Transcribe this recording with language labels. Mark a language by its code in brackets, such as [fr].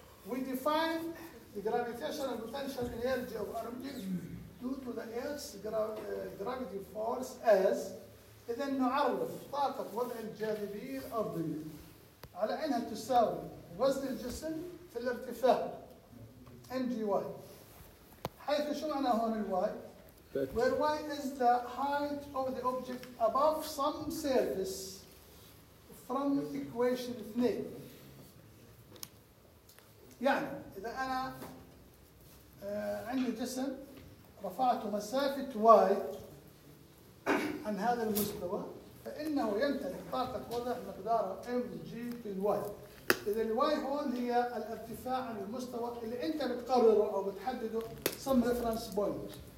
[en] We define the gravitational potential energy of an object due to the Earth's gravity force as [ar] اذا نعرف طاقة وضع الجاذبية الأرضية على انها تساوي وزن الجسم في الارتفاع ام جي واي. حيث شو معنى هون الواي؟ [en] where y is the height of the object above some surface from equation 2. [ar] يعني إذا أنا عندي جسم رفعته مسافة y عن هذا المستوى فإنه يمتلك طاقة وضع مقدارها mg في الواي. إذا الواي هون هي الارتفاع عن المستوى اللي أنت بتقرره أو بتحدده [en] some reference point.